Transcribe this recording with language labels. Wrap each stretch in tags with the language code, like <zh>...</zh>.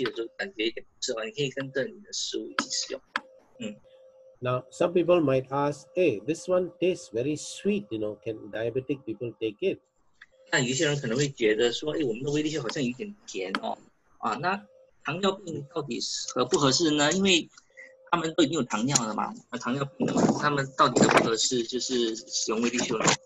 <zh>那我其实我本人，我相信大众很多人其实也是空腹喝，所以空腹喝其实是没有问题，是很OK的，但是说你在空腹喝下去的时候感觉一点不适合，你可以跟着你的食物一起使用。</zh> <en>Now, some people might ask, hey, this one tastes very sweet, you know, can diabetic people take it?</en> <zh>那有些人可能会觉得说，哎，我们的威力秀好像有点甜哦，啊，那糖尿病到底合不合适呢？因为他们都已经有糖尿了嘛，糖尿病的嘛，他们到底合不合适，就是使用威力秀呢？</zh>